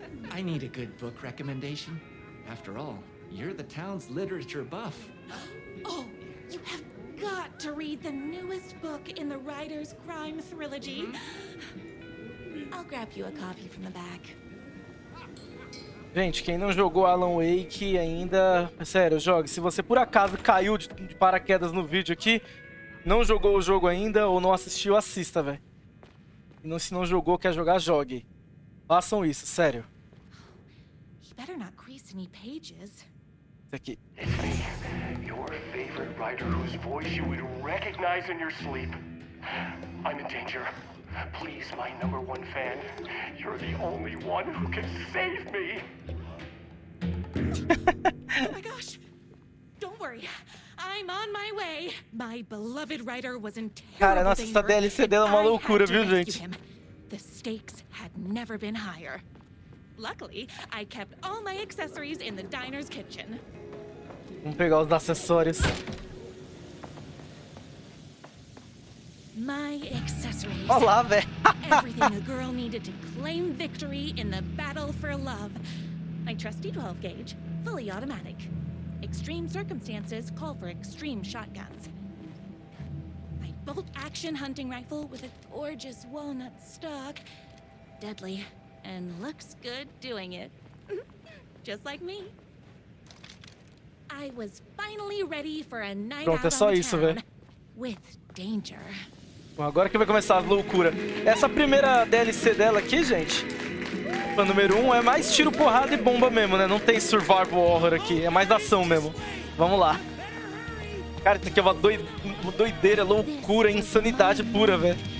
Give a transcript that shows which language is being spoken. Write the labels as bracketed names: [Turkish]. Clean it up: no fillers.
[English] I need a good book recommendation. After all, you're the town's literature buff. Oh, you have got to read the newest book in the writer's crime trilogy. Mm-hmm. I'll grab you a copy from the back. [Portuguese] Gente, quem não jogou Alan Wake ainda... Sério, jogue. Se você por acaso caiu de paraquedas no vídeo aqui, não jogou o jogo ainda ou não assistiu, assista, velho. E não, se não jogou, quer jogar, jogue. Façam isso, sério. [English] He better not crease any pages. [Portuguese] Aqui. [English] Your favorite writer whose voice you would recognize in your sleep. I'm in danger. Please, my number one fan, you're the only one who can save me. Oh my gosh. Don't worry. I'm on my way. My beloved writer was in terrible danger. [Portuguese] Cara, nossa, essa DLC dela é uma loucura, viu, gente? [English] The stakes had never been higher. Luckily, I kept all my accessories in the diner's kitchen. [Portuguese] Vamos pegar os acessórios. [English] My accessories. [Portuguese] Olá, véi. [English] Everything a girl needed to claim victory in the battle for love. My trusty 12 gauge, fully automatic. Extreme circumstances call for extreme shotguns. My bolt action hunting rifle with a gorgeous walnut stock. Deadly. And looks good doing it. Just like me. I was finally ready for a night. [Portuguese] Pronto, [English] out [Portuguese] é só isso, [English] velho. With danger. [Portuguese] Bom, agora que vai começar a loucura. Essa primeira DLC dela aqui, gente. Fã número 1 é mais tiro, porrada e bomba mesmo, né? Não tem survival horror aqui. É mais ação mesmo. Vamos lá. Cara, isso aqui é uma doideira, loucura, insanidade pura, velho.